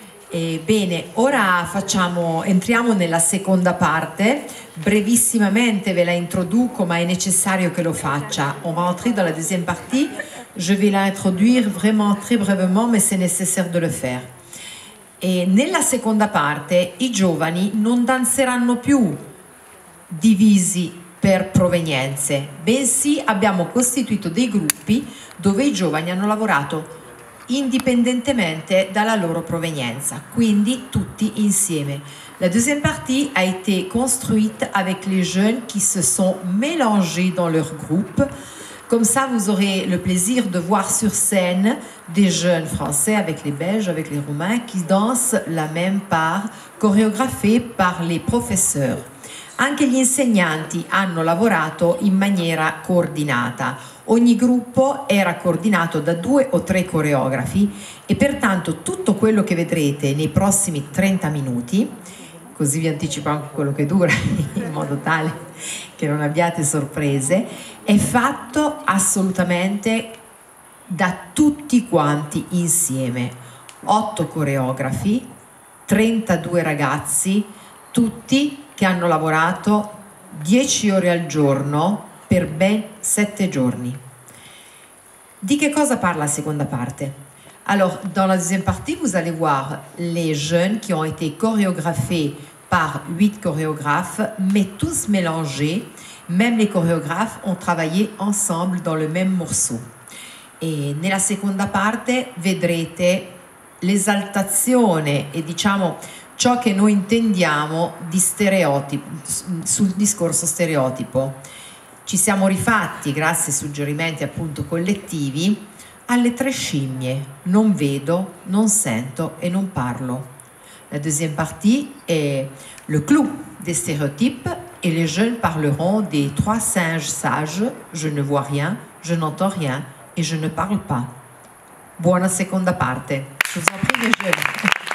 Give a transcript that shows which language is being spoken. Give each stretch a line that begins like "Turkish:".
Italian: Bene, ora entriamo nella seconda parte. Brevissimamente ve la introduco, ma è necessario che lo faccia.
French: On va entrer dans la deuxième partie. Je vais la introduire vraiment très brevement, mais c'est nécessaire de le faire.
Italian: E nella seconda parte i giovani non danzeranno più divisi per provenienze, bensì abbiamo costituito dei gruppi dove i giovani hanno lavorato indipendentemente dalla loro provenienza, quindi tutti insieme.
French: La deuxième partie a été construite avec les jeunes qui se sont mélangés dans leur groupe. Comme ça, vous aurez le plaisir de voir sur scène des jeunes français avec les Belges, avec les Roumains, qui dansent la même part chorégraphée par les professeurs.
Italian: Anche gli insegnanti hanno lavorato in maniera coordinata. Ogni gruppo era coordinato da due o tre coreografi e pertanto tutto quello che vedrete nei prossimi 30 minuti, così vi anticipo anche quello che dura in modo tale che non abbiate sorprese, è fatto assolutamente da tutti quanti insieme. 8 coreografi, 32 ragazzi, tutti che hanno lavorato 10 ore al giorno per ben 7 giorni. Di che cosa parla la seconda parte?
French: Alors, dans la deuxième partie, vous allez voir les jeunes qui ont été chorégraphés par 8 chorégraphes, mais tous mélangés. Même les chorégraphes ont travaillé ensemble dans le même morceau.
Italian: E nella seconda parte vedrete l'esaltazione e diciamo ciò che noi intendiamo di stereotipo, sul discorso stereotipo. Ci siamo rifatti, grazie ai suggerimenti appunto collettivi, alle tre scimmie: non vedo, non sento e non parlo.
French: La deuxième partie è le clou des stéréotypes et les jeunes parleront des trois singes sages: je ne vois rien, je n'entends rien et je ne parle pas.
Italian: Buona seconda parte.
French: Je vous en prie, les jeunes.